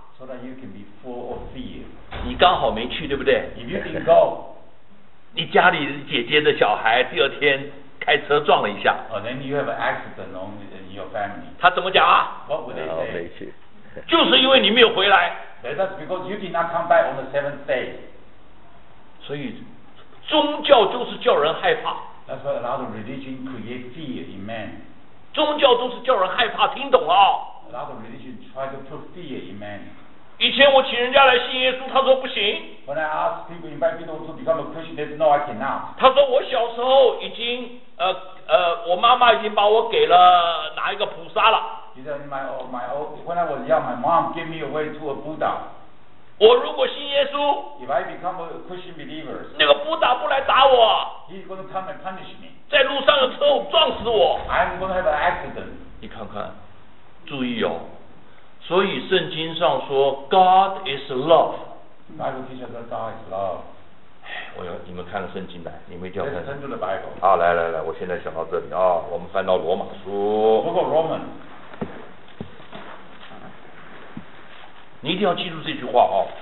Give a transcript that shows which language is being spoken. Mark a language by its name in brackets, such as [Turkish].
[English] so that you can be full of fear. [Chinese] 你刚好没去对不对 [English] If you didn't go, [Chinese] 你家里姐姐的小孩第二天开车撞了一下 [English] Then you have an accident on in your family. [Chinese] 他怎么讲啊 [English] What would they say? [Chinese] 没去就是因为你没有回来 [English] That's because you did not come back on the seventh day. [Chinese] 所以宗教就是叫人害怕 [English] That's why a lot of religion create fear in man. [Chinese] 宗教都是叫人害怕，听懂了？ [English] A lot of religion try to put fear in man. [Chinese] 以前我请人家来信耶稣，他说不行。 [English] When I ask people invite people to become a Christian, they say no, I cannot. [Chinese] 他说我小时候已经我妈妈已经把我给了哪一个菩萨了。 [English] He said my old when I was young, my mom gave me away to a Buddha. [Chinese] 我如果信耶稣 [English] ，If I become a Christian believer, [Chinese] 那个 Buddha 不来打我。 [English] He's going to come and punish me. [Chinese] 在路上的车祸撞死我 [English] I'm going to have an accident [Chinese] 你看看注意哦所以圣经上说 [English] God is love Bible teaches that God is love [Chinese] 我要你们看了圣经来你们一定要看 [English] Let's turn to the Bible [Chinese] 好来我现在想到这里啊、哦，我们翻到罗马书 [English] Book of Romans [Chinese] 你一定要记住这句话啊、哦。